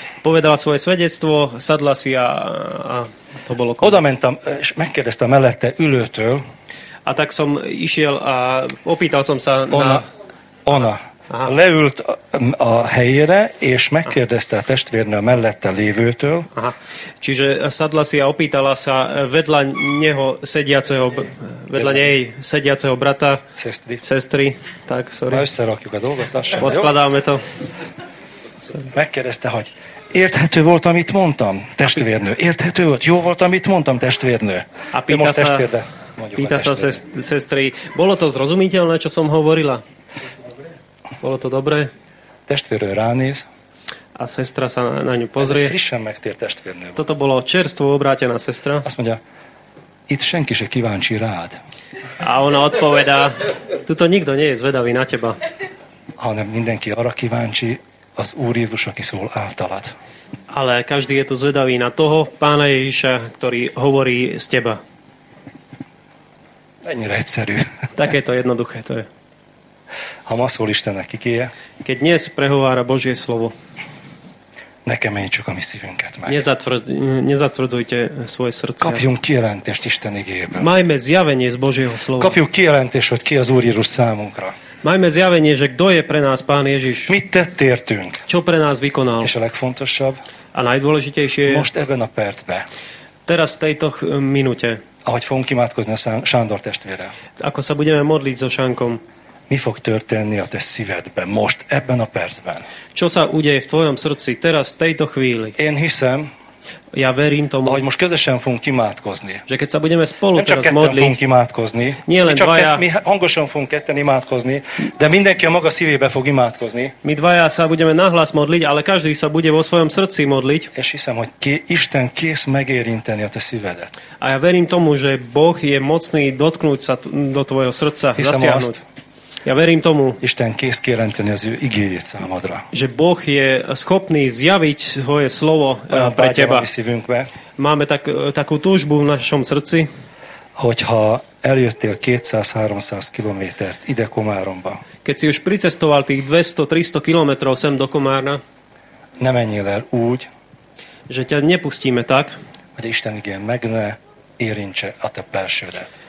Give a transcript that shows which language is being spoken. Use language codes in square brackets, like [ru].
[sk] Povedala svoje svedectvo, sadla si a to bolo konec. [hu] Oda mentam, és megkérdezte a mellette ülőtől. [sk] A tak som išiel a opýtal som sa ona, na... [hu] Ona leült a helyére, és megkérdezte a testvérnő a mellette lévőtől. Aha. [sk] Čiže sadla si a opýtala sa vedľa neho sediaceho, vedľa nej sediaceho brata. Sestry. Sestry. Tak, sorry. [hu] Na összerakjuk a dolgot. [sk] Poskladáme to. [hu] Megkérdezte, hogy érthető volt, amit mondtam, testvérnő. Érthető volt? Jó volt, amit mondtam, testvérnő. [sk] A pýta sa sestry. Bolo to zrozumiteľné, čo som hovorila? Bolo to dobré? [hu] Testvérnő ránéz. [sk] A sestra sa na ňu pozrie. [hu] Ez frissen megtért testvérnő. [sk] Toto bolo čerstvo obrátená sestra. [hu] Azt mondja, itt senki se kíváncsi rád. [sk] A ona odpovedá, tuto nikto nie je zvedavý na teba. [hu] Hanem mindenki arra kíváncsi, az Úr Jézus, aki szól általad. [sk] Ale každý je tu zvedavý na toho Pána Ježiša, ktorý hovorí z teba. [hu] Ennyire egyszerű. [sk] Také to jednoduché to je. [hu] Ha ma szól Istennek igéje. [sk] Keď dnes prehovára Božie slovo. [hu] Ne kemény csak a mi szívünket meg. [sk] Nezatvrdzujte svoje srdce. [hu] Kapjunk kijelentést Isten igéjében. [sk] Majme zjavenie z Božieho slova. [hu] Kapjunk kijelentést, hogy ki az Úr Jézus számunkra. [sk] Majme zjavenie, že kto je pre nás Pán Ježiš. [hu] Mit tett értünk. [sk] Čo pre nás vykonal. [hu] És a legfontosabb. [sk] A najdôležitejšie. [hu] Most ebben a percben. [sk] Teraz v tejto minúte. [hu] Ahogy fogunk imádkozni a Sándor testvére. [sk] Ako sa budeme modliť so Šankom. [hu] Mi fog történni a te szívedben most ebben a percben? [sk] Čo sa udeje v tvojom srdci teraz, tejto chvíli? [hu] Én hiszem, [sk] ja verím tomu, [hu] ahogy most közösen fogunk imádkozni. [sk] Že keď sa budeme spolu teraz modliť. [hu] Nem csak ketten fogunk imádkozni. [sk] Nie len dvaja. [hu] Mi hangosan fogunk ketten imádkozni, de mindenki a maga szívébe fog imádkozni. [sk] Mi dvaja sa budeme nahlas modliť, ale každý sa bude vo svojom srdci modliť. [hu] És hiszem, hogy Isten kész megérinteni a te szívedet. [sk] A ja verím tomu, že Boh je mocný dotknúť sa do tvojho srdca, zasiahnuť. Ja verím tomu, [hu] Isten kész kijelenteni az ő igéjét számodra. [sk] Že Boh je schopný zjaviť svoje slovo pre teba. Máme takú túžbu v našom srdci. [hu] Hogyha eljöttél 200-300 kilométert ide Komáromba. [sk] Keď si už pricestoval tých 200-300 kilometrov sem do Komárna. [hu] Ne menjél el úgy. [sk] Že ťa nepustíme tak. [hu] Hogy Isten igéje meg ne érintse a te belsődet.